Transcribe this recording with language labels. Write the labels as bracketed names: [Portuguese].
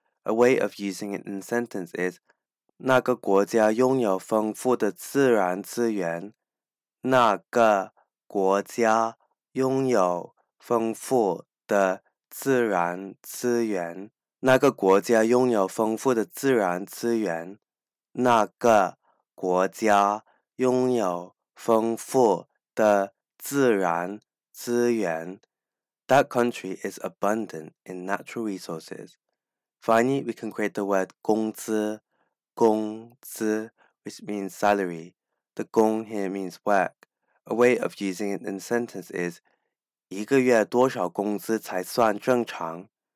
[English] A way of using it in a sentence is [Chinese] 那个国家拥有丰富的自然资源。那个国家拥有丰富的自然资源。那个国家拥有丰富的自然资源。那个国家拥有丰富的自然资源。 [English] That country is abundant in natural resources. Finally, we can create the word 工资, which means salary. The 工 here means work. A way of using it in a sentence is [Chinese] 一个月多少工资才算正常？